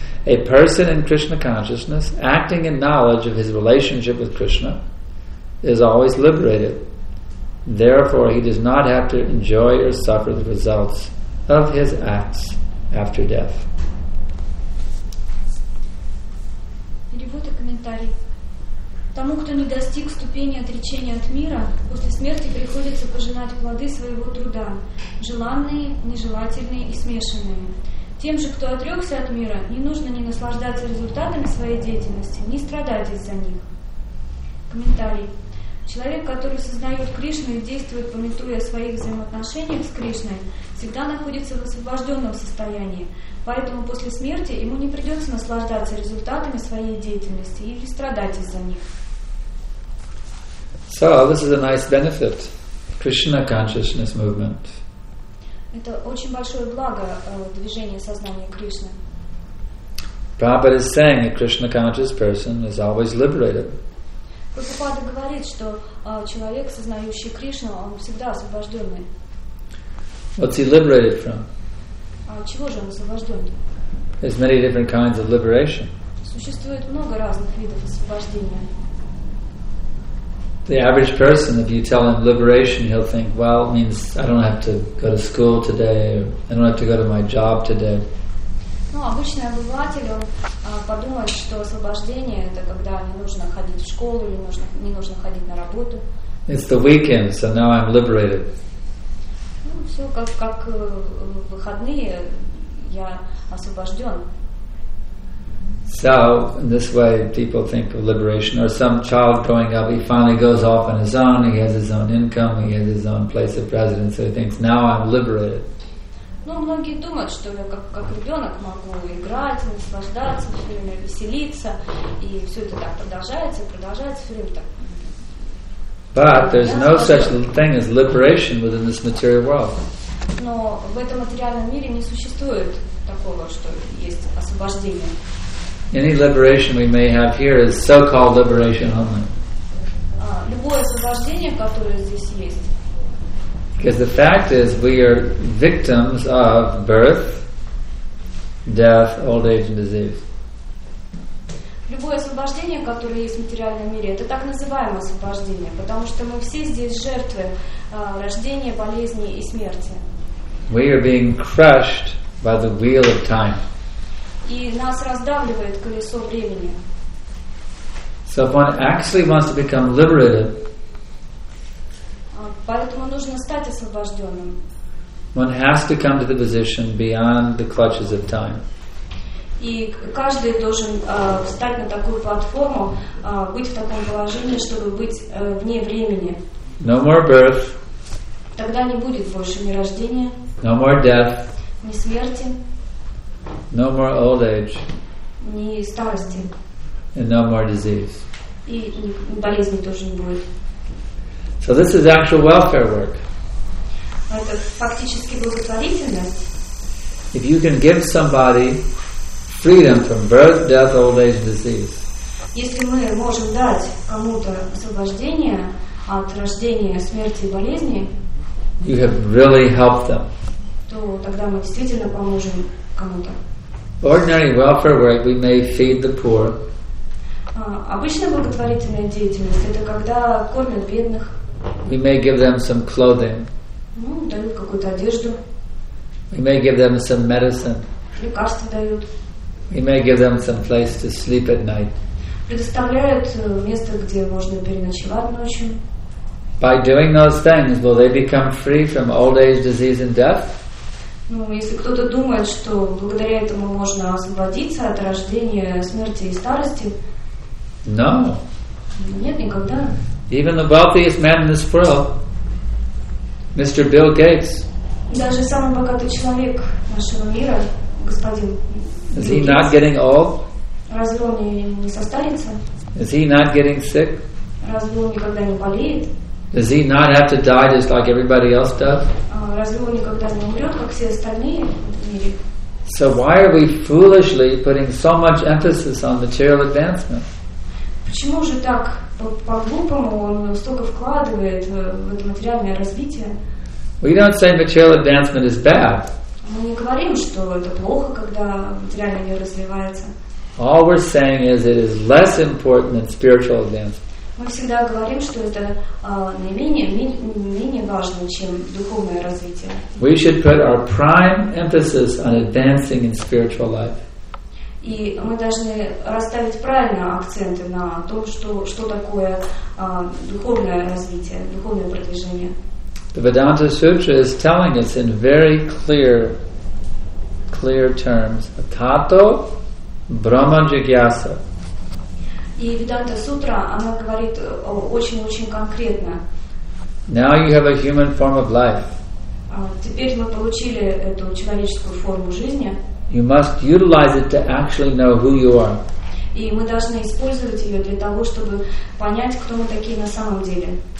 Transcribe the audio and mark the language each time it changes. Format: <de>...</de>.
<en>A person in Krishna consciousness, acting in knowledge of his relationship with Krishna, is always liberated. Therefore, he does not have to enjoy or suffer the results of his acts after death.</en> <ru>Перевод и комментарий. Тому, кто не достиг ступени отречения от мира, после смерти приходится пожинать плоды своего труда, желанные, нежелательные и смешанные. Тем же, кто отрекся от мира, не нужно ни наслаждаться результатами своей деятельности, ни страдать из-за них. Комментарий. Человек, который сознает Кришну и действует, памятуя о своих взаимоотношениях с Кришной, всегда находится в освобожденном состоянии, поэтому после смерти ему не придется наслаждаться результатами своей деятельности или страдать из-за них.</ru> <en>So, this is a nice benefit of Krishna consciousness movement.</en> <ru>Это очень большое благо движения сознания Кришны.</ru> <en>Prabhupada is saying a Krishna conscious person is always liberated.</en> <ru>Прабхупада говорит, что человек, сознающий Кришну, он всегда освобожденный.</ru> <en>What's he liberated from?</en> <ru>Чего же он освобожден?</ru> <en>There's many different kinds of liberation.</en> <ru>Существует много разных видов освобождения.</ru> <en>The average person, if you tell him liberation, he'll think, well, it means I don't have to go to school today, or I don't have to go to my job today.</en> <ru>Обычный обыватель, он подумает, что освобождение — это когда не нужно ходить в школу. школу или нужно, не нужно ходить на работу.</ru> <en>It's the weekend, so now I'm liberated.</en> <ru>Ну, все, как выходные, я освобожден.</ru> <en>So, in this way, people think of liberation. Or some child growing up, he finally goes off on his own, he has his own income, he has his own place of residence, so he thinks, now I'm liberated.</en> <ru>Ну, многие думают, что я как ребенок могу играть, наслаждаться все время, веселиться, и все это так продолжается все время так.</ru> <en>But there's no such thing as liberation within this material world.</en> <ru>Но в этом материальном мире не существует такого, что есть освобождение.</ru> <en>Any liberation we may have here is so-called liberation only.</en> <ru>Любое освобождение, которое здесь есть.</ru> <en>Because the fact is, we are victims of birth, death, old age, and disease.</en> <ru>Любое освобождение, которое есть в материальном мире, это так называемое освобождение, потому что мы все здесь жертвы рождения, болезни и смерти.</ru> <en>We are being crushed by the wheel of time.</en> <ru>И нас раздавливает колесо времени.</ru> <en>So if one actually wants to become liberated,</en> <ru>поэтому нужно стать освобожденным.</ru> <en>One has to come to the position beyond the clutches of time.</en> <ru>И каждый должен встать на такую платформу, быть в таком положении, чтобы быть вне времени.</ru> <en>No more birth.</en> <ru>Тогда не будет больше ни рождения.</ru> <en>No more death.</en> <ru>Ни смерти.</ru> <en>No more old age.</en> <ru>Ни старости.</ru> <en>And no more disease.</en> <ru>И болезни тоже не будет.</ru> <en>So this is actual welfare work.</en> <ru>Это фактически благотворительность.</ru> <en>If you can give somebody freedom from birth, death, old age, disease.</en> <ru>Если мы можем дать кому-то освобождение от рождения, смерти и болезни,</ru> <en>you have really helped them.</en> <ru>То тогда мы действительно поможем кому-то.</ru> <en>Ordinary welfare work, we may feed the poor.</en> <ru>Обычная благотворительная деятельность — это когда кормят бедных.</ru> <en>We may give them some clothing.</en> <ru>Ну, дают какую-то одежду.</ru> <en>We may give them some medicine.</en> <ru>Лекарства дают.</ru> <en>We may give them some place to sleep at night.</en> <ru>Предоставляют место, где можно переночевать ночью.</ru> <en>By doing those things, will they become free from old age, disease, and death?</en> <ru>Ну, если кто-то думает, что благодаря этому можно освободиться от рождения, смерти и старости.</ru> <en>No.</en> <ru>Нет, никогда.</ru> <en>Even the wealthiest man in this world, Mr. Bill Gates.</en> <ru>Даже самый богатый человек нашего мира, господин.</ru> <en>Is he not getting old?</en> <ru>Разве он не состарится?</ru> <en>Is he not getting sick?</en> <ru>Разве он никогда не болеет?</ru> <en>Does he not have to die just like everybody else does?</en> <ru>Разве он никогда не умрет, как все остальные в мире?</ru> <en>So why are we foolishly putting so much emphasis on material advancement?</en> <ru>Почему же так по-глупому он столько вкладывает в это материальное развитие?</ru> <en>We don't say material advancement is bad.</en> <ru>Мы не говорим, что это плохо, когда материальное не развивается.</ru> <en>All we're saying is it is less important than spiritual advancement.</en> <ru>Мы всегда говорим, что это менее важно, чем духовное развитие.</ru> <en>We should put our prime emphasis on advancing in spiritual life.</en> <ru>И мы должны расставить правильно акценты на том, что такое духовное развитие, духовное продвижение.</ru> <en>The Vedanta Sutra is telling us in very clear terms,</en> <sa>Tato Brahma Jigyasa.</sa> <ru>И Vedanta Sutra, она говорит очень-очень конкретно.</ru> <en>Now you have a human form of life.</en> <ru>Теперь мы получили эту человеческую форму жизни.</ru> <en>You must utilize it to actually know who you are.</en> <ru>И мы должны использовать ее для того, чтобы понять, кто мы такие на самом деле.</ru>